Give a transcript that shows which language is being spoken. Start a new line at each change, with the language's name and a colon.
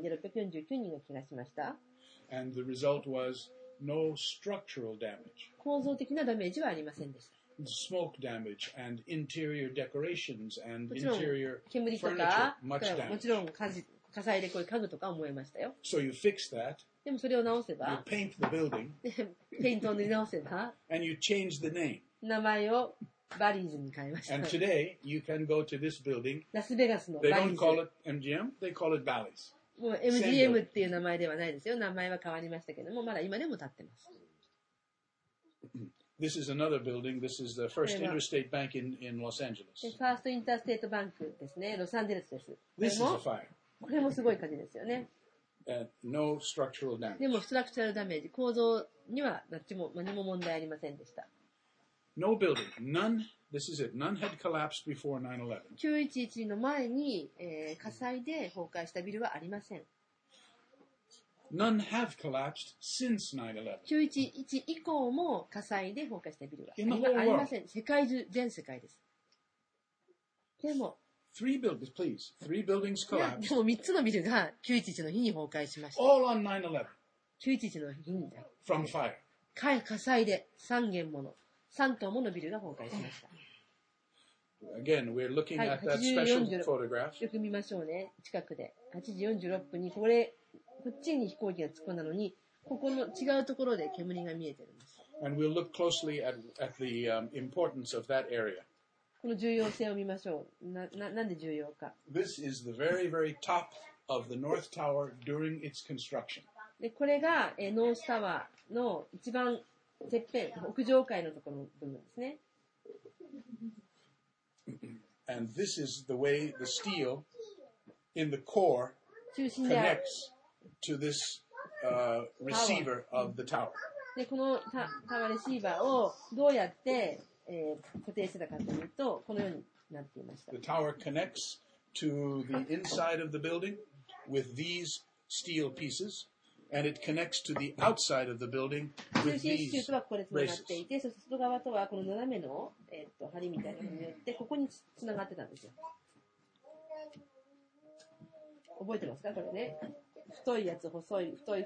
Japanese: 1980年に84人が死んで649人が怪我しました。
English: And the result was no structural damage.
Japanese: 構造的なダメージはありませんでした。
English: Smoke damage and interior decorations and interior furniture much damage.
Japanese: もちろん火災でこういう家具とか燃えましたよ。
English: So you fix that.
Japanese: でもそれを直せば、
English: you paint the building.
Japanese: ペイントを塗り直せば、
English: and you change the name.
Japanese: 名前をバリーズに変えました。
English: And today you can go to this building.
Japanese: ラスベガスのバリーズ。
English: They don't call it MGM. They call it Bally's.
Japanese: もう MGM っていう名前ではないですよ。名前は変わりましたけども、まだ今でも立ってます。
English: This is another building. This is the First Interstate Bank in Los Angeles.
Japanese: First Interstate Bank ですね、ロサンゼルスです。
English: This is a fire.
Japanese: これもすごい火事ですよね。
English: No structural damage.
Japanese: でもストラクチャルダメージ、構造には何も問題ありませんでした。
English: No building, none. This is it. None had collapsed before 9/11.
Japanese: 9/11 の前に、火災で崩壊したビルはありません。
English: None have collapsed since
Japanese: 9/11. 9/11以降も火災で崩壊したビルはありません。世界中、全世界です。でも。
English: Three buildings, please. Three buildings collapsed.
Japanese: でも3つのビルが911の日に崩壊しました。
English: All on 9/11.
Japanese: 911の日にだ。
English: From fire.
Japanese: 火災で3棟ものビルが崩壊しました。
English: Again, we're looking at that special photograph.
Japanese: よく見ましょうね。近くで。 8時46分にこっちに飛行機が突っ込んだのに、ここの違うところで煙が見えてるんです。
English: And we'll look closely at the importance of that area.
Japanese: この重要性を見ましょう。なんで重要か。
English: This is the very, very top of the North Tower during its construction.
Japanese: で、これがノースタワーの一番てっぺん、屋上階のところの部分ですね。
English: And this is the way the steel in the core connects to this receiver of the tower.
Japanese: で、このタワーレシーバーをどうやって固定してたかというと、このようになっていました。
English: The tower connects to the inside of the building with these steel pieces, and it connects to the outside of the building with these braces.
Japanese: 中心支柱とはここでつながっていて、そして外側とはこの斜めの梁みたいなものによってここにつながってたんですよ。覚えてますか、これね。太いやつ、細い。